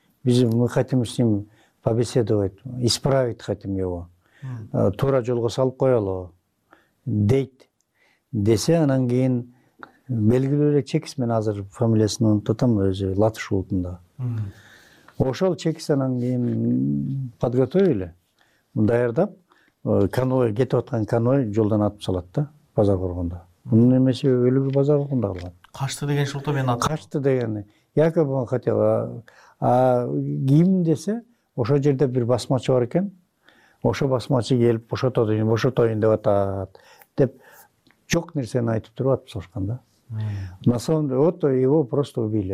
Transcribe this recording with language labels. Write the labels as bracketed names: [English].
[Kyrgyz] Биз [Russian] мы хотим с ним побеседовать, исправить хотим его. [Kyrgyz] Туура жолго салып коелу дейт. Десе анан кийин белгилүү эле чекис, мен азыр фамилиясын унутам, өзү латыш улутунда. Ошол чекис анан кийин [Russian] подготовили, [Kyrgyz] даярдап конвой кетип аткан конвой жолдон атып салат да базар коргондо. Мунун эмеси өлүбү базар коргондо кылган. Качты деген шылтоо менен атты. Качты дегени [Russian] якобы он хотел. [Kyrgyz] А ким десе ошол жерде бир басмачы бар экен, ошо басмачы келип бошотоюн, бошотоюн деп атат деп жок нерсени айтып туруп атып салышкан да. [Russian] На самом деле вот его просто убили.